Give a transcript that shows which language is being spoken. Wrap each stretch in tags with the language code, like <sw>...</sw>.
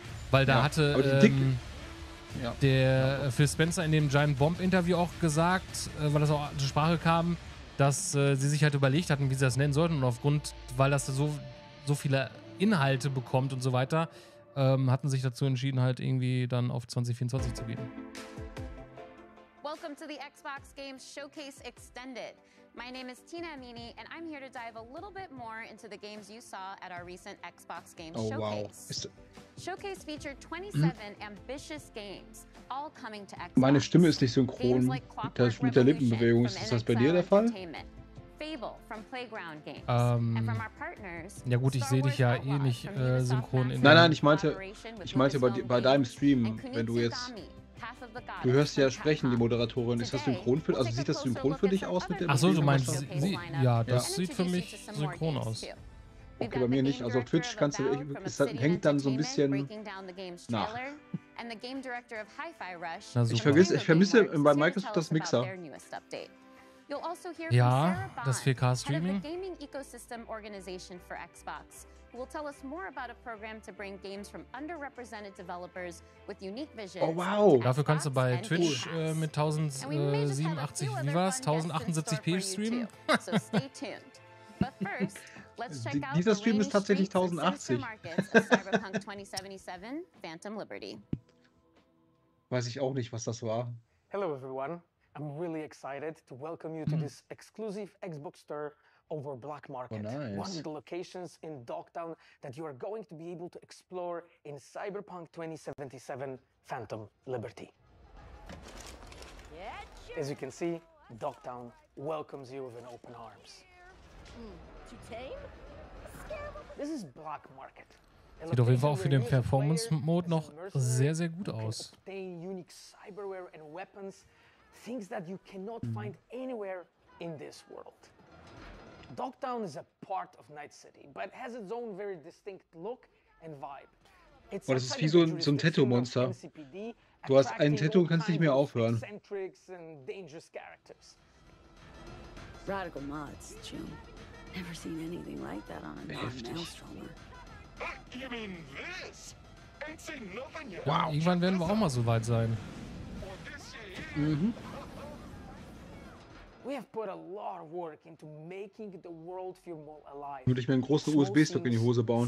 <de>Weil da hatte Phil Spencer in dem Giant Bomb Interview auch gesagt, weil das auch zur Sprache kam, dass sie sich halt überlegt hatten, wie sie das nennen sollten. Und aufgrund, weil das so viele Inhalte bekommt und so weiter, hatten sich dazu entschieden, halt irgendwie dann auf 2024 zu gehen.</de> <en>Welcome to the Xbox Game Showcase Extended. My name is Tina Amini and I'm here to dive a little bit more into the games you saw at our recent Xbox Game Showcase. Wow. Showcase featured 27 ambitious games, all coming to Xbox.</en> <de>Meine Stimme ist nicht synchron mit der Lippenbewegung. Ist das bei dir der Fall?</de> <en>Fable from Playground Games. And from our partners,</en> <de>ja gut, ich sehe dich ja eh nicht synchron. Nein, ich meinte bei deinem Stream, wenn du jetzt... Du hörst ja sprechen, die Moderatorin. Ist das synchron für dich? Also sieht das synchron für dich aus mit dem? Ach so, du meinst sie? Ja, das sieht für mich synchron aus. Okay, bei mir nicht. Also auf Twitch kannst du, es hängt dann so ein bisschen nach. Ich vermisse bei Microsoft das Mixer. Ja, das 4K Streaming.</de> <en>Will tell us more about a program to bring games from underrepresented developers with unique visions. Oh wow!</en> <de>Dafür kannst du bei Twitch mit 1087 Vivas 1078p streamen. Dieser Stream ist tatsächlich 1080. Phantom Liberty. Weiß ich auch nicht, was das war.</de> <en>Hello everyone. I'm really excited to welcome you to this exclusive Xbox store over Black Market, one of the locations in Dogtown that you are going to be able to explore in Cyberpunk 2077 Phantom Liberty. As you can see, Dogtown welcomes you with an open arms. To tame? This is Black Market.</en> <de>Sieht auf jeden Fall auch für den Performance-Mode noch sehr, sehr gut aus.</de> <en>Unique cyberware and weapons things that you cannot find anywhere in this world. Dogtown is a part of Night City, but has its own very distinct look and vibe.</en> <de>It's oh, das ist wie so ein Tattoo-Monster. NCPD, du hast ein Tattoo und kannst nicht mehr aufhören. Eccentrics and dangerous</de> <en>characters. Radical mods, Jim. Never seen anything like that on a Maelstromer. What do you mean this? Ain't seen nothing yet. Wow.</en> <de>Irgendwann werden wir auch mal so weit sein.</de> <en>We have put a lot of work into making the world feel more alive.</en> <de>Würde ich mir einen großen USB-Stick in die Hose bauen.</de>